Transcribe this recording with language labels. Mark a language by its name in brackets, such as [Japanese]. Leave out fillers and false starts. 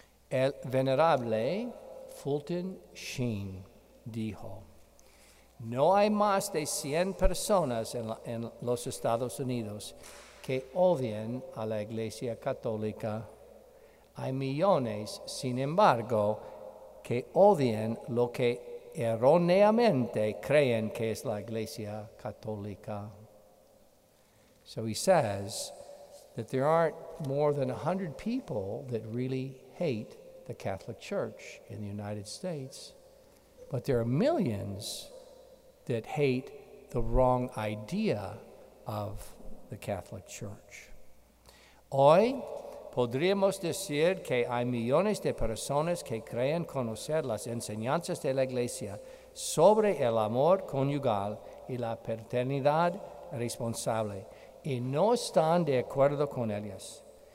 [Spanish] El venerable Fulton Sheen dijo: "No hay más de 100 personas en los Estados Unidos que odien a la Iglesia Católica. Hay millones, sin embargo, que odien lo que erróneamente creen que es la Iglesia Católica." [English] So he says that there aren't more than 100 people that really hate the Catholic Church in the United States, but there are millions that hate the wrong idea of the Catholic Church. [Spanish] Hoy podríamos decir que hay millones de personas que creen conocer las enseñanzas de la Iglesia sobre el amor conyugal y la paternidad responsable, y no están de acuerdo con ellas.